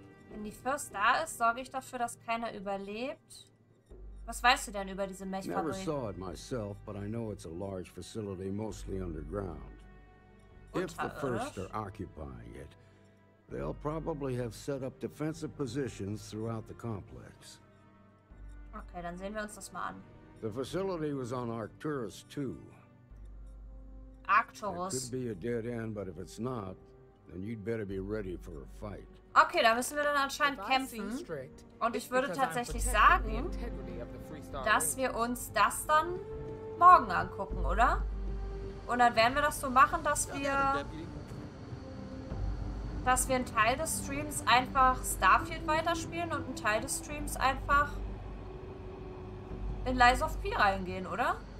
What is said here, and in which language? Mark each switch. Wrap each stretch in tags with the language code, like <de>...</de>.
<de>Wenn die First da ist, sorge ich dafür, dass keiner überlebt. Was weißt du denn über diese Mech-Fabrik?</de> <en>Never saw it myself, but I know it's a large facility, mostly underground. If the First are occupying it, they'll probably have set up defensive positions throughout the complex.</en> <de>Okay, dann sehen wir uns das mal an.</de> <en>The facility was on Arcturus 2. Arcturus. It could be a dead end, but if it's not, then you'd better be ready for a fight.</en> <de>Okay, da müssen wir dann anscheinend kämpfen. Und ich würde tatsächlich sagen, dass wir uns das dann morgen angucken, oder? Und dann werden wir das so machen, dass wir einen Teil des Streams einfach Starfield weiterspielen und einen Teil des Streams einfach in Lies of P reingehen, oder?</de>